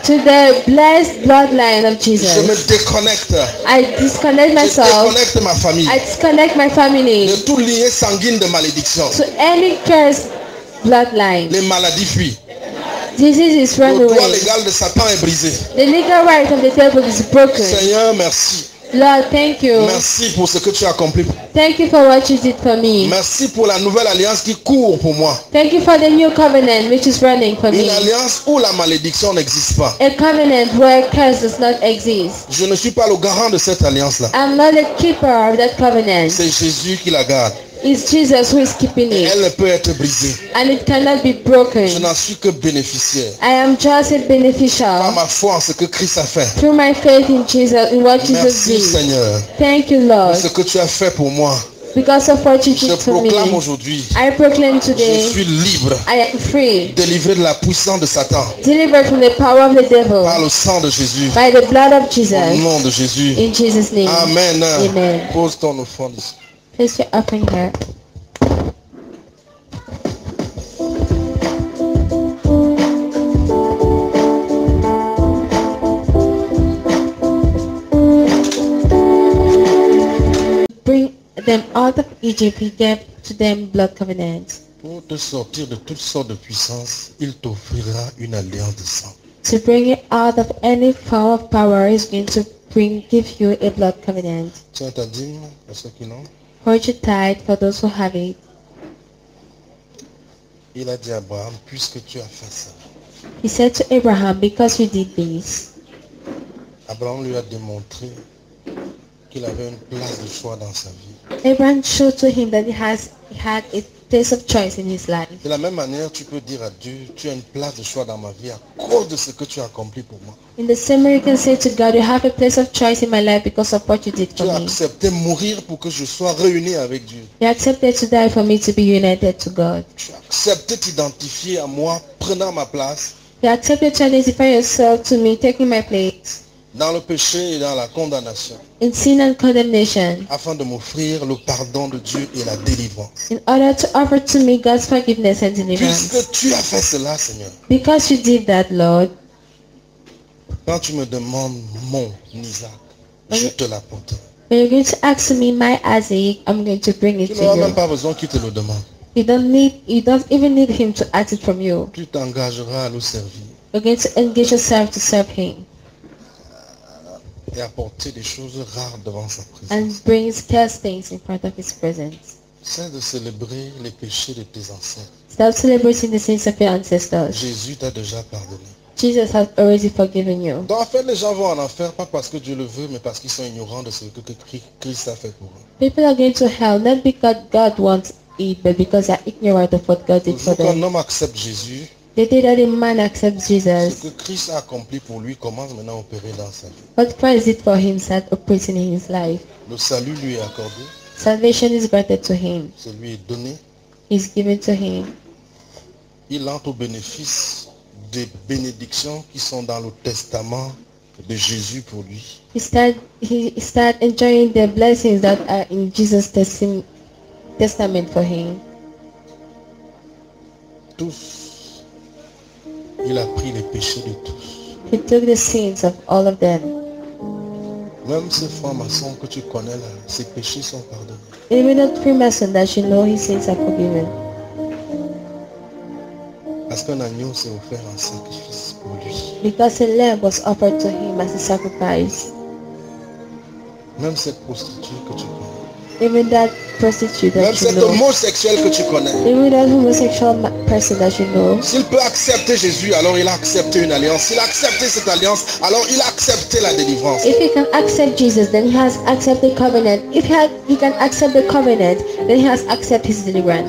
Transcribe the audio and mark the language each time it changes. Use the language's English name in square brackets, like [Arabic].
[English] To the blessed bloodline of Jesus. [French] Je me déconnecte. [English] I disconnect myself. [French] Je déconnecte ma famille. [English] I disconnect my family. [French] De toute lignée sanguine de malédiction. [English] To any cursed bloodline. [French] Les maladies fuient. [English] Disease is run away. [French] Le droit légal de Satan est brisé. [English] The legal right of the devil is broken. [French] Seigneur, merci. [English] Lord, thank you. [French] Merci pour ce que tu as accompli. [English] Thank you for what you did for me. [French] Merci pour la nouvelle alliance qui court pour moi. [English] Thank you for the new covenant which is running for [French] me. Une alliance où la malédiction n'existe pas. [English] A covenant where curse does not exist. [French] Je ne suis pas le garant de cette alliance là. [English] I'm not the keeper of that covenant. [French] C'est Jésus qui la garde. [English] It's Jesus who is keeping it. [French] Et elle ne peut être brisée. [English] And it cannot be broken. [French] Je n'en suis que bénéficiaire. [English] I am just a beneficiary. [French] Par ma foi en ce que Christ a fait. [English] Through my faith in Jesus, in what [French] Merci, [English] Jesus did. [French] Merci Seigneur. [English] Thank you Lord. [French] Pour ce que tu as fait pour moi. [English] Because of what you did [French] je proclame [English] for me. [French] Aujourd'hui. [English] I proclaim today. [French] Je suis libre. [English] I am free. [French] Délivré de la puissance de Satan. [English] Delivered from the power of the devil. [French] Par le sang de Jésus. [English] By the blood of Jesus. [French] Au nom de Jésus. [English] In Jesus' name. [French] Amen. [English] Amen. [French] Pose ton offrande. [English] Is your open here? Bring them out of Egypt and give to them blood covenants. [French] Pour te sortir de toutes sortes de puissances, il t'offrira une alliance de sang. [English] To bring you out of any form of power, is going to bring give you a blood covenant. [French] Tiens ta dîme pour ceux qui l'ont. [English] Hold it tight for those who have it. [French] Il a dit à Abraham, puisque tu as fait ça. [English] He said to Abraham, because you did this. [French] Abraham lui a démontré qu'il avait une place de choix dans sa vie. [English] Abraham showed to him that he had a place of choice in his life. [French] De la même manière, tu peux dire à Dieu, tu as une place de choix dans ma vie à cause de ce que tu as accompli pour moi. [English] In the same way, you can say to God, you have a place of choice in my life because of what you did for me. [French] Tu as accepté mourir pour que je sois réuni avec Dieu. [English] You accepted to die for me to be united to God. [French] Tu as accepté t'identifier à moi, prenant ma place. [English] You accepted to identify yourself to me, taking my place. [French] Dans le péché et dans la condamnation. [English] In sin and condemnation. [French] Afin de m'offrir le pardon de Dieu et la délivrance. [English] In order to offer to me God's forgiveness and deliverance. [French] Puisque tu as fait cela, Seigneur. [English] Because you did that, Lord. [French] Quand tu me demandes mon Isaac, je te l'apporte. [English] When you're going to ask me my Isaac, I'm going to bring it to you. [French] Tu n'as même pas besoin qu'il te le demande. [English] You don't even need him to ask it from you. [French] Tu t'engageras à le servir. [English] Begin to engage yourself to serve him. [French] Et apporter des choses rares devant sa présence. [English] And bring scarce things in front of his presence. [French] Cesse de célébrer les péchés de tes ancêtres. [English] Stop celebrating the sins of your ancestors. [French] Jésus t'a déjà pardonné. [English] Jesus has already forgiven you. [French] Donc en fait, les gens vont en enfer pas parce que Dieu le veut, mais parce qu'ils sont ignorants de ce que Christ a fait pour eux. [English] People are going to hell not because God wants it, but because they are ignorant of what God did for them. [French] Quand un homme accepte Jésus, [English] the day that a man accepts Jesus, [French] ce que Christ a accompli pour lui commence maintenant à opérer dans sa vie. [English] What Christ did for him start operating in his life. [French] Le salut lui est accordé. [English] Salvation is granted to him. [French] Celui est donné. [English] Is given to him. [French] Il entre au bénéfice des bénédictions qui sont dans le testament de Jésus pour lui. [English] He start enjoying the blessings that are in Jesus' testament for him. [French] Tous. Il a pris les péchés de tous. [English] He took the sins of all of them. [French] Même ce franc-maçon que tu connais là, ses péchés sont pardonnés. [English] Even that Freemason that you know, his sins are forgiven. [French] Parce qu'un agneau s'est offert en sacrifice pour lui. [English] Because a lamb was offered to him as a sacrifice. [French] Même cette prostituée que tu connais. [English] Even that prostitute that [French] même [English] you know. [French] Même cet homosexuel que tu connais. [English] Even that homosexual person that you know. [French] S'il peut accepter Jésus, alors il a accepté une alliance. S'il a accepté cette alliance, alors il a accepté la délivrance. [English] If he can accept Jesus, then he has accepted the covenant. If he can accept the covenant, then he has accepted his deliverance.